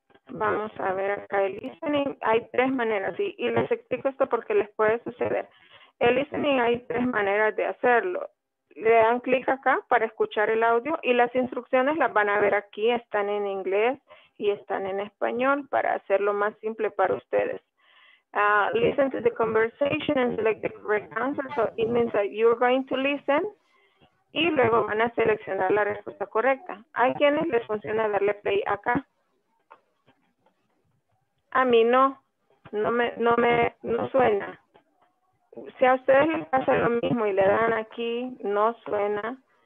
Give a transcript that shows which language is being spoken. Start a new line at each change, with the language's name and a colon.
Spanish: Vamos a ver acá el listening. Hay tres maneras, y les explico esto porque les puede suceder. El listening hay tres maneras de hacerlo. Le dan clic acá para escuchar el audio y las instrucciones las van a ver aquí. Están en inglés y están en español para hacerlo más simple para ustedes.
English: Listen to the conversation and select the correct answer. So it means that you're going to listen.
Spanish: Y luego van a seleccionar la respuesta correcta. ¿Hay quienes les funciona darle play acá? A mí no. No suena. Si a ustedes les pasa lo mismo y le dan aquí, no suena.